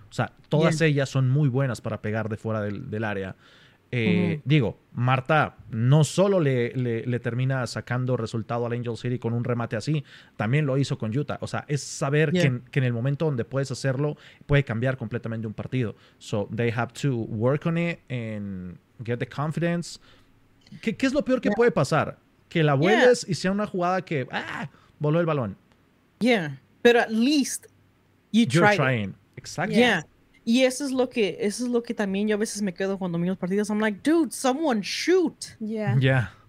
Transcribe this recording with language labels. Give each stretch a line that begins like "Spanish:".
Spanish: O sea, todas ellas son muy buenas para pegar de fuera del área. Digo, Marta no solo le termina sacando resultado al Angel City con un remate así, también lo hizo con Utah. O sea, es saber que en el momento donde puedes hacerlo, puede cambiar completamente un partido.
English: So, they have to work on it and get the confidence.
Spanish: ¿Qué es lo peor que puede pasar? Que la vuelves y sea una jugada que voló el balón.
English: Yeah,
Spanish: pero
English: at least you're trying. Exactly. Yeah.
Spanish: Y eso es lo que también yo a veces me quedo cuando miro los partidos.
English: I'm like, dude, someone shoot. Yeah. Yeah.